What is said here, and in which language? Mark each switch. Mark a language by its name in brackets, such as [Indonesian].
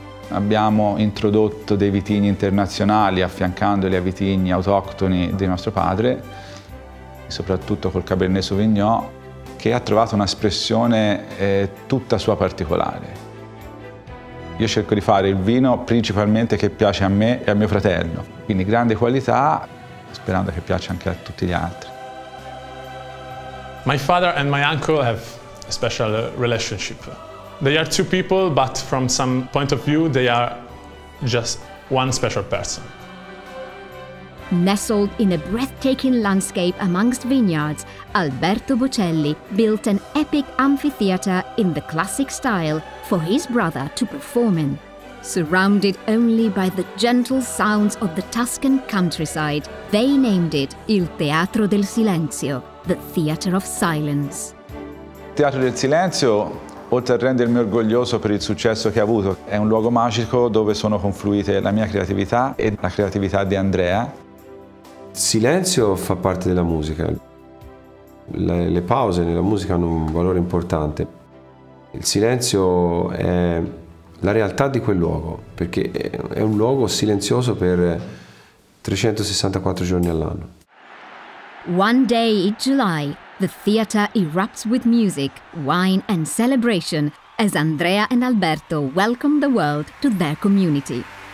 [Italian] Abbiamo introdotto dei vitigni internazionali affiancandoli a vitigni autoctoni di nostro padre, soprattutto col Cabernet Sauvignon, che ha trovato un'espressione tutta sua particolare. Io cerco di fare il vino principalmente che piace a me e a mio fratello, quindi grande qualità, sperando che piaccia anche a tutti gli altri. [English] My father and my uncle have a special relationship. They are two people, but from some point of view, they are just one special person. Nestled in a breathtaking landscape amongst vineyards, Alberto Bocelli built an epic amphitheater in the classic style for his brother to perform in. Surrounded only by the gentle sounds of the Tuscan countryside, they named it Il Teatro del Silenzio, the Theatre of Silence. [Italian] Il Teatro del Silenzio, oltre a rendermi orgoglioso per il successo che ha avuto, è un luogo magico dove sono confluite la mia creatività e la creatività di Andrea. Silenzio fa parte della musica. Le pause nella musica hanno un valore importante. Il silenzio è la realtà di quel luogo, perché è un luogo silenzioso per 364 giorni all'anno. [English] One day in July, the theater erupts with music, wine and celebration as Andrea and Alberto welcome the world to their community.